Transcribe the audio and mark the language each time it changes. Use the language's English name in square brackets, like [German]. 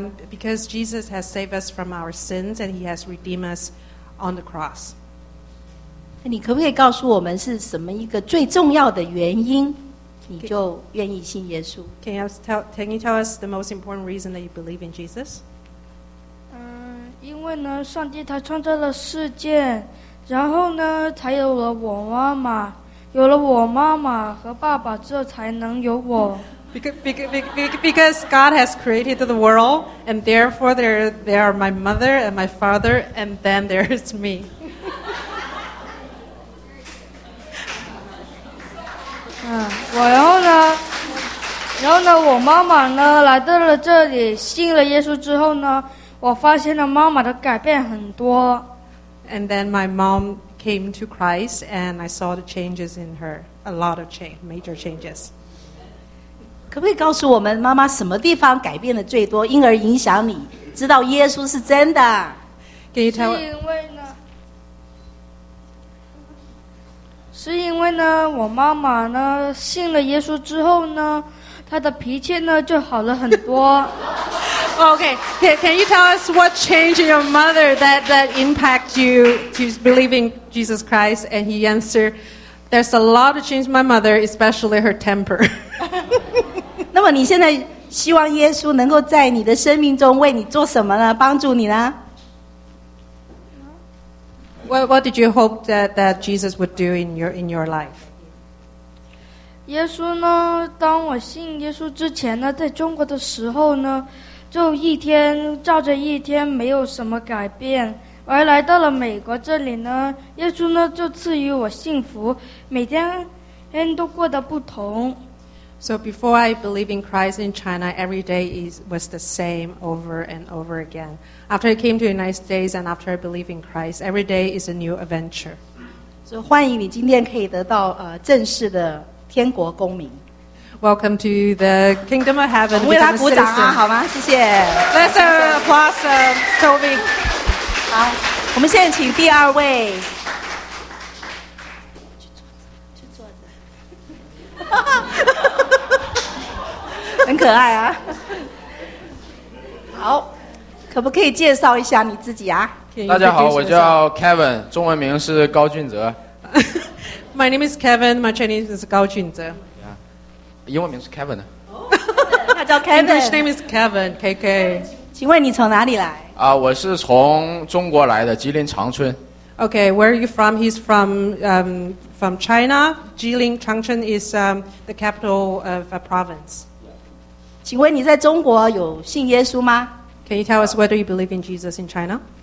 [English] Because Jesus has saved us from our sins and he has redeemed us on the cross [Chinese] 你可不可以告诉我们是什么一个最重要的原因你就愿意信耶稣 [English] Can you tell us the most important reason that you believe in Jesus? [Chinese] 因为呢上帝他创造了世界然后呢才有了我妈妈有了我妈妈和爸爸这才能有我 [English] Because God has created the world and therefore they are my mother and my father and then there is me [Chinese] 然后呢我妈妈呢来到了这里信了耶稣之后呢我发现了妈妈的改变很多 [English] And then my mom came to Christ and I saw the changes in her a lot of change, major changes [Chinese] 可不可以告诉我们妈妈什么地方改变的最多因而影响你知道耶稣是真的 [English] Can you tell [Chinese] 是因为呢我妈妈呢信了耶稣之后呢她的脾气呢就好了很多 [English] Okay, can you tell us what changed your mother that impacted you to believe in Jesus Christ and he answered There's a lot to change my mother, especially her temper. [Chinese] 那么你现在希望耶稣能够在你的生命中为你做什么呢？帮助你呢？ [English] What did you hope that Jesus would do in your life? [Chinese] 耶稣呢？当我信耶稣之前呢，在中国的时候呢，就一天照着一天，没有什么改变。而来到了美国这里呢，耶稣呢就赐予我幸福，每天都过得不同。 [English] So before I believe in Christ in China, every day was the same over and over again. After I came to the United States and after I believe in Christ, every day is a new adventure. [Chinese] So 欢迎你今天可以得到正式的天国公民。 [English] Welcome to the Kingdom of Heaven. [Chinese] 为他鼓掌啊，好吗？谢谢。 [English] Let's applause, Toby. [Chinese] 好，我们现在请第二位。很可爱啊。好，可不可以介绍一下你自己啊？大家好，我叫 Kevin， 中文名是高俊泽。 [English] My name is Kevin, my Chinese is 高俊泽。 [Chinese] 英文名是 Kevin 呢？他叫 Kevin。 [English] English name is Kevin, KK。 [Chinese] 请问你从哪里来？啊，我是从中国来的，吉林长春。 [English] Okay, where are you from? He's from China. Jilin, Changchun is the capital of a province. [Chinese] 请问你在中国有信耶稣吗？ [English] Can you tell us whether you believe in Jesus in China?